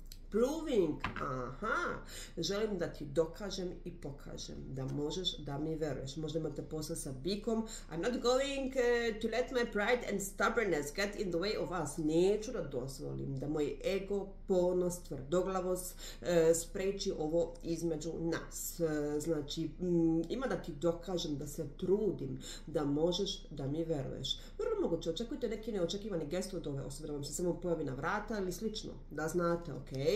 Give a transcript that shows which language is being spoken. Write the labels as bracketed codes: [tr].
[sr] Proving, aha, želim da ti dokažem i pokažem da možeš da mi veruješ. Možda imate posla sa bikom. [en] I'm not going to let my pride and stubbornness get in the way of us. [sr] Neću da dozvolim da moj ego, ponos, tvrdoglavost spreči ovo između nas. Znači, ima da ti dokažem, da se trudim da možeš da mi veruješ. Vrlo moguće, očekujte neki neočekivani gest od ove osobe, da vam se samo pojavi na vrata ili slično, da znate, ok?